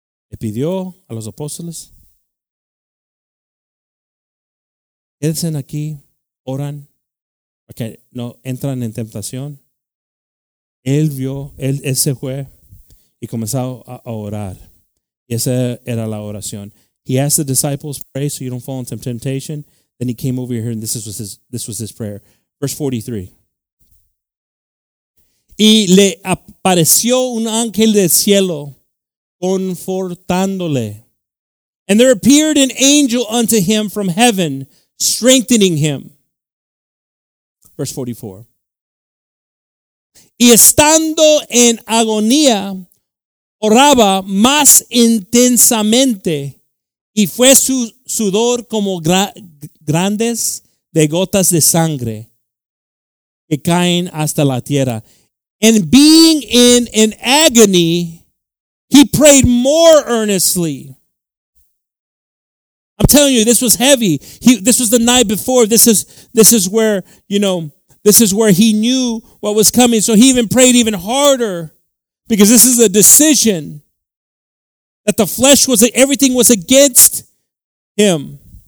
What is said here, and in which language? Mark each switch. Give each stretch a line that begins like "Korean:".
Spanish: Le pidió a los apóstoles, quédense aquí, oran, para que no entran en tentación. Él vio, él se fue y comenzó a orar. Y esa era la oración.
English: He asked the disciples, pray so you don't fall into temptation. Then he came over here and this was his prayer. Verse 43.
Spanish: Y le apareció un ángel del cielo confortándole.
English: And there appeared an angel unto him from heaven, strengthening him. Verse 44.
Spanish: Y estando en agonía, oraba más intensamente, y fue su sudor como grandes de gotas de sangre que caen hasta la tierra.
English: And being in an agony, he prayed more earnestly. I'm telling you, this was heavy. This was the night before. This is where, you know, this is where he knew what was coming. So he even prayed even harder because this is a decision that the flesh was, everything was against him.